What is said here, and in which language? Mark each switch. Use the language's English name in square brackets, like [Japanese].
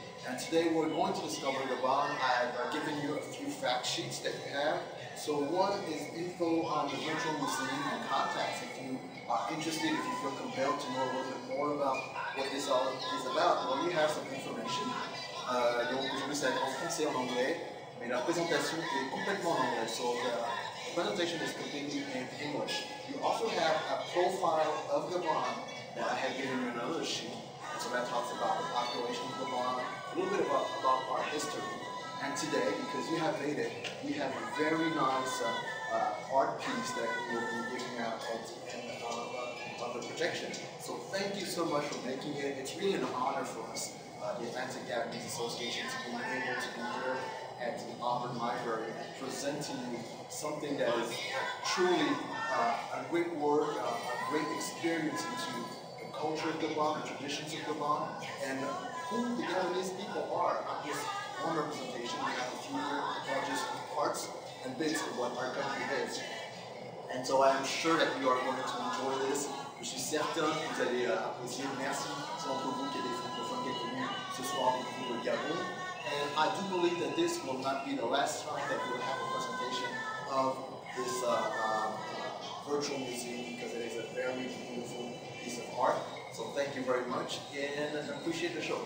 [English] And today we're going to discover Gabon. I've given you a few fact sheets that you have. So one is info on the virtual museum and contacts if you are interested, if you feel compelled to know a little bit more about what this all is about. Well, we have some information. [French] Donc aujourd'hui c'est en français et en anglais, mais la présentation est complètement en anglais. [English] So the presentation is completely in English. You also have a profile of Gabon that I have given you another sheet. And so that talks about the population of Gabon, a little bit about our history. And today, because you have made it, we have a very nice art piece that we'll be giving out at the end of the projection. So thank you so much for making it. It's really an honor for us, the Atlantic Gabonese Association, to be able to be here at the Auburn Library presenting you something that is truly a great work, a great experience into the culture of Gabon, the traditions of Gabon, and who the Gabonese people are. One representation, we have a few projects, parts and bits of what our country is. And so I am sure that you are going to enjoy this. [French] Je suis certain que vous allez apprécier. Merci, c'est entre vous qui êtes des francophones qui êtes venus ce soir avec vous au Gabon. [English] And I do believe that this will not be the last time that we'll have a presentation of this virtual museum, because it is a very beautiful piece of art. So thank you very much and I appreciate the show.